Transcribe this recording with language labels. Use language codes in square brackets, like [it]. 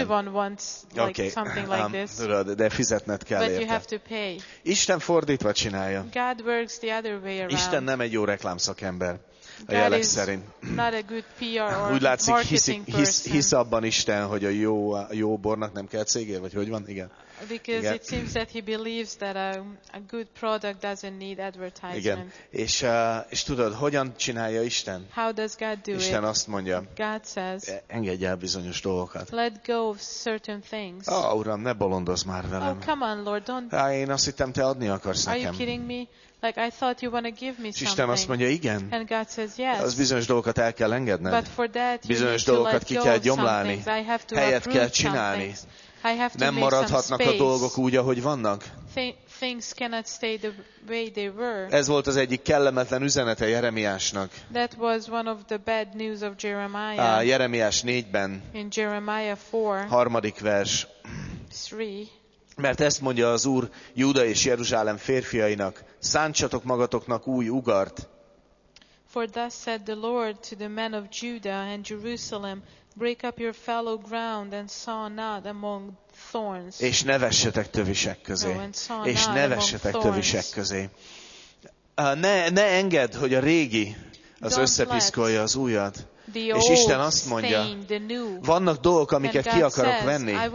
[en] Everyone wants like, okay, something like this. [hu] Tudod, de fizetned kell [en] but [hu] érte. [en] You have to pay. [hu] Isten fordítva csinálja. [en] God works the other way around. [hu] Isten nem egy jó reklámszakember, a jelek szerint. [en] Not a good PR or [hu] úgy látszik, hisz abban Isten, hogy a jó bornak nem kell cégér, vagy hogy van? Igen. [en] Because igen. It seems that he believes that a good product doesn't need advertisement. [hu] Igen. És tudod, hogyan csinálja Isten? [en] How does God do [hu] Isten [en] it? [hu] Isten azt mondja, [en] God says, [hu] engedj el bizonyos dolgokat. [en] Let go of certain things. [hu] Ó, Uram, ne bolondozz már velem. [en] Oh, come on, Lord, don't. [hu] Én azt hittem, te adni akarsz nekem. [en] Are you kidding me? Like I thought you want to give me something. [hu] Isten azt mondja, igen. [en] And God says yes. [hu] Az bizonyos dolgokat el kell engedned. [en] But for that, [hu] bizonyos dolgokat ki kell gyomlálni. [en] I have to [hu] helyet kell csinálni. [en] I have to [hu] nem maradhatnak a dolgok úgy, ahogy vannak. [en] Things cannot stay the way they were. [hu] Ez volt az egyik kellemetlen üzenete Jeremiásnak. [en] That was one of the bad news of Jeremiah. [hu] A Jeremiás 4-ben. [en] In Jeremiah 4. [hu] Harmadik vers. [en] 3. [hu] Mert ezt mondja az Úr Júda és Jeruzsálem férfiainak, szántsatok magatoknak új ugart. [en] For thus said the Lord to the men of Judah and Jerusalem, break up your fallow ground and saw not among thorns. [hu] És ne vessetek tövisek közé. [en] No, [hu] és ne vessetek tövisek közé. Ne engedd, hogy a régi az összepiszkolja az újat. És Isten azt mondja, vannak dolgok, amiket ki akarok venni.